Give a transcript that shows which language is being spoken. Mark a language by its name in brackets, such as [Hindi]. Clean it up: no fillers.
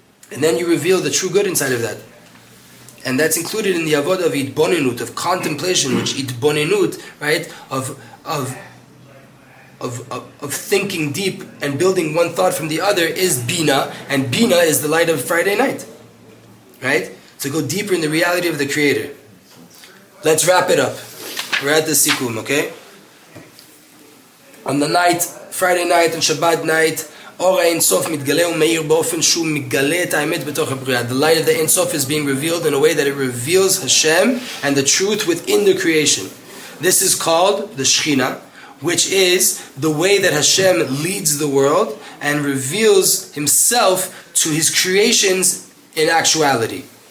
[English] And then you reveal the true good inside of that. And that's included in the avodah of itbonenut, of contemplation, which itbonenut, right, of thinking deep and building one thought from the other is bina, and bina is the light of Friday night, right? To go deeper in the reality of the Creator. Let's wrap it up. We're at the sikkum, okay? On the night, Friday night and Shabbat night, [Hebrew] אור האין סוף מתגלה ומאיר באופן שהוא מגלה את האמת בתוך הבריאה. [English] The light of the אין סוף is being revealed in a way that it reveals Hashem and the truth within the creation. This is called the Shechina, which is the way that Hashem leads the world and reveals himself to his creations in actuality.